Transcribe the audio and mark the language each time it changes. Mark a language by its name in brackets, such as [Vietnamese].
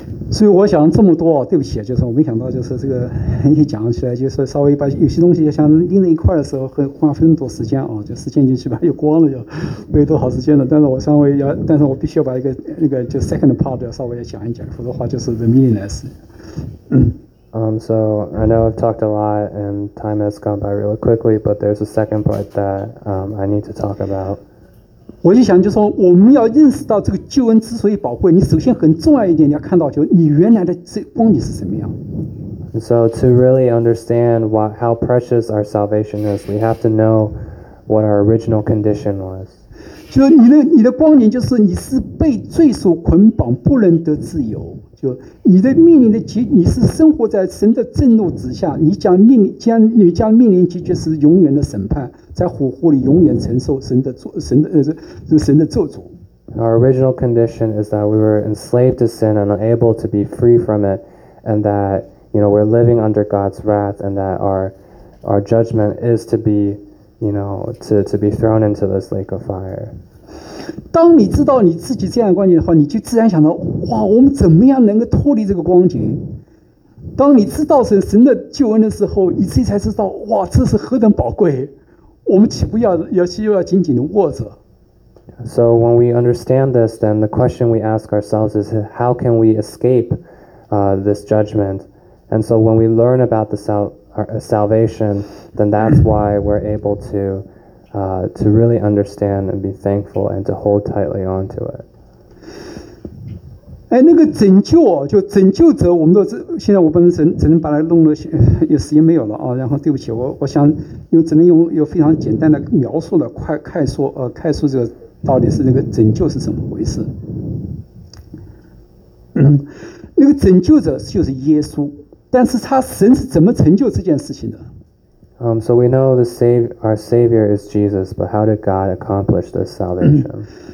[Chinese] 所以我想这么多，对不起，就是我没想到，就是这个一讲起来，就是稍微把有些东西想拎在一块的时候，会花非常多时间啊，就时间就基本上就光了，就没有多少时间了。但是我必须要把一个就 [English] second part [Chinese] 要稍微讲一讲，否则的话就是 [English] the meaningless。 So I know I've talked a lot and time has gone by really quickly, but there's a second part that I need to talk about. [Chinese] 我就想，就说我们要认识到这个救恩之所以宝贵，你首先很重要一点，你要看到，就你原来的这光景是什么样。 [English] So to really understand how precious our salvation is, we have to know what our original condition was. [Chinese] 就你的光景就是你是被罪所捆绑，不能得自由。就你的命令的结，你是生活在神的震怒之下，你将命令结局是永远的审判，在火火里永远承受神的咒诅。 [English] Our original condition is that we were enslaved to sin and unable to be free from it, and that we're living under God's wrath, and that our judgment is to be to be thrown into this lake of fire. [Chinese] 当你知道你自己这样的光景的话，你就自然想到，哇，我们怎么样能够脱离这个光景？当你知道神的救恩的时候，你自己才知道，哇，这是何等宝贵！我们岂不要紧紧的握着 [English] ？So when we understand this, then the question we ask ourselves is, how can we escape this judgment? And so when we learn about the salvation, then that's why we're able to. To really understand and be thankful and to hold tightly onto it. [Chinese] 哎，那个拯救哦，就拯救者，我们都现在我不能只能把它弄了，有时间没有了啊。然后对不起，我想用只能用有非常简单的描述的快速这个到底是那个拯救是怎么回事。那个拯救者就是耶稣，但是他神是怎么成就这件事情的？ [English] So we know the our Savior is Jesus, but how did God accomplish this salvation?